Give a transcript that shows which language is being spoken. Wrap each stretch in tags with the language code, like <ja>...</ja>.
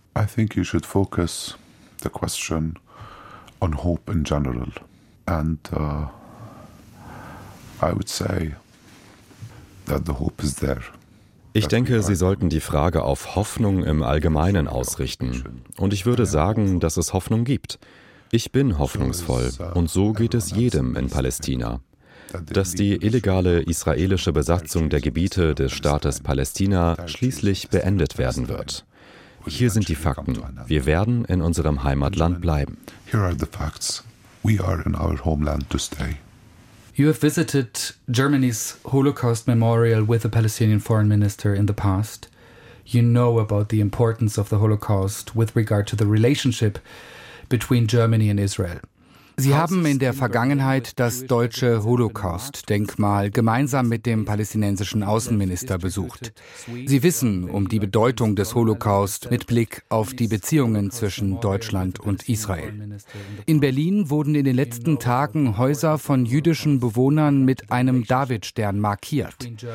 <en>I think you should focus the question on hope in general. And I would say that the hope is there.</en> <de>Ich denke, Sie sollten die Frage auf Hoffnung im Allgemeinen ausrichten. Und ich würde sagen, dass es Hoffnung gibt. Ich bin hoffnungsvoll und so geht es jedem in Palästina. Dass die illegale israelische Besatzung der Gebiete des Staates Palästina schließlich beendet werden wird. Hier sind die Fakten. Wir werden in unserem Heimatland bleiben.</de> <en>Here are the facts. We are in our homeland to stay. You have visited Germany's Holocaust Memorial with the Palestinian foreign minister in the past. You know about the importance of the Holocaust with regard to the relationship between Germany and Israel.</en> <de>Sie haben in der Vergangenheit das deutsche Holocaust-Denkmal gemeinsam mit dem palästinensischen Außenminister besucht. Sie wissen um die Bedeutung des Holocaust mit Blick auf die Beziehungen zwischen Deutschland und Israel. In Berlin wurden in den letzten Tagen Häuser von jüdischen Bewohnern mit einem Davidstern markiert.</de>